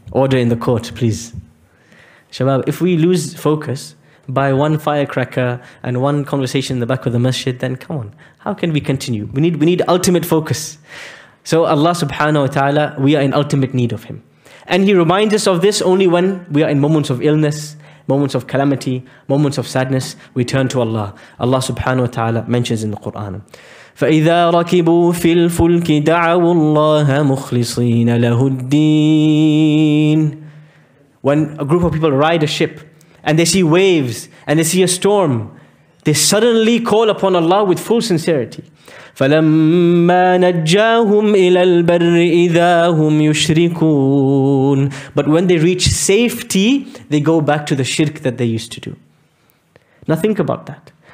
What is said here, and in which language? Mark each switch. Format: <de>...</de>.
<en>Order in the court, please. Shabab, if we lose focus by one firecracker and one conversation in the back of the masjid, then come on, how can we continue? We need ultimate focus. So Allah subhanahu wa ta'ala, we are in ultimate need of Him. And He reminds us of this only when we are in moments of illness, moments of calamity, moments of sadness, we turn to Allah. Allah subhanahu wa ta'ala mentions in the Quran,</en> <ar>فَإِذَا رَكِبُوا فِي الْفُلْكِ دَعَوُوا اللَّهَ مُخْلِصِينَ لَهُ الدِّينَ.</ar> <en>When a group of people ride a ship and they see waves and they see a storm, they suddenly call upon Allah with full sincerity.</en> <ar>فَلَمَّا نَجَّاهُمْ إِلَى الْبَرِّ إِذَا هُمْ يُشْرِكُونَ.</ar> <en>But when they reach safety, they go back to the shirk that they used to do. Now think about that.</en>